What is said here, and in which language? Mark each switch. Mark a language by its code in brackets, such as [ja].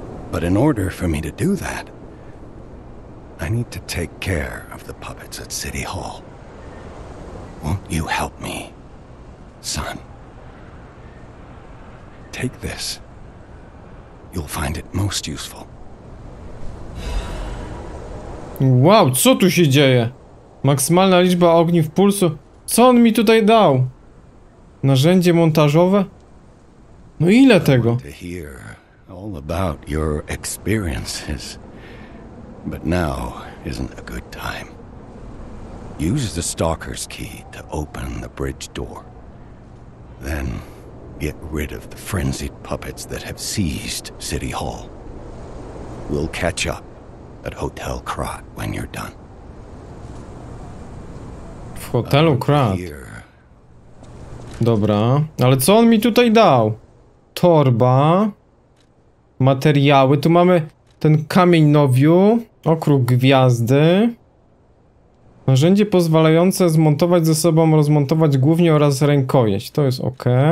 [en] But in order for me to do that, I need to take care of the puppets at City Hall. Won't you help me, son? Take this. You'll find it most useful. [pl] Wow, co tu się dzieje? Maksymalna liczba ogniw pulsu. Co on mi tutaj dał? Narzędzie montażowe? No ile tego? [en] All about your experiences. But now isn't a good time. Use the stalker's key to open the bridge door. Then get rid of the frenzied puppets that have seized City Hall. We'll catch up at Hotel Krat when you're done. [pl] W hotelu Krat. Dobra, ale co on mi tutaj dał? Torba. Materiały, tu mamy ten kamień nowiu, okruch gwiazdy. Narzędzie pozwalające zmontować ze sobą, rozmontować głównie oraz rękojeść, to jest ok.